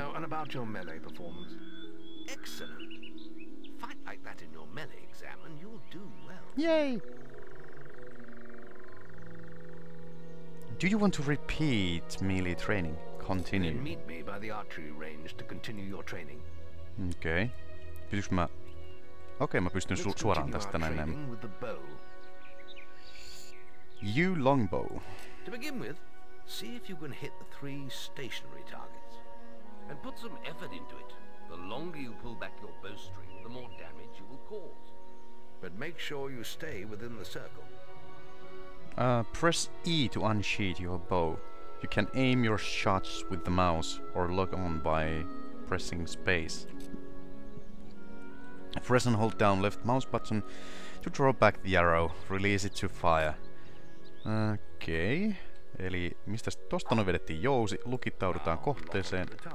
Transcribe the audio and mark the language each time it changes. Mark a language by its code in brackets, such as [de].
[en] Oh, and about your melee performance. Excellent. Fight like that in your melee exam and you'll do well. Yay! Do you want to repeat melee training? Continue. Then meet me by the archery range to continue your training. [fi] Okei. Okay. Pystyks mä... Okei, okay, mä pystyn suoraan tästä näin. [en] You longbow. To begin with, see if you can hit the 3 stationary targets. And put some effort into it. The longer you pull back your bowstring, the more damage you will cause. But make sure you stay within the circle. Press E to unsheathe your bow. You can aim your shots with the mouse or lock on by pressing space. Press and hold down left mouse button to draw back the arrow. Release it to fire. Okei. Okay. [fi] Eli mistä tosta noin vedettiin jousi? Lukittaudutaan kohteeseen.